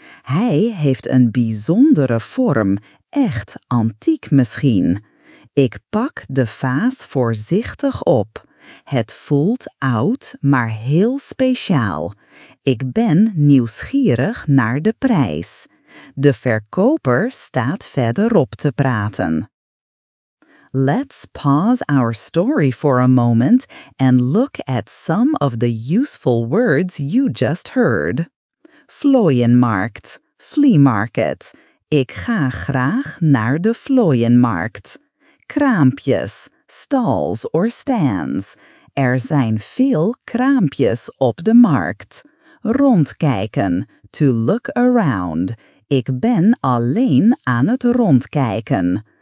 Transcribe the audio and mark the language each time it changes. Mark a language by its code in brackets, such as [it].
[nl] Hij heeft een bijzondere vorm, echt antiek misschien. Ik pak de vaas voorzichtig op. Het voelt oud, maar heel speciaal. Ik ben nieuwsgierig naar de prijs. De verkoper staat verderop te praten. [en] Let's pause our story for a moment and look at some of the useful words you just heard. Vlooienmarkt, flea market. [nl] Ik ga graag naar de vlooienmarkt. [en] Kraampjes, stalls or stands. [nl] Er zijn veel kraampjes op de markt. Rondkijken, [en] to look around. [nl] Ik ben alleen aan het rondkijken.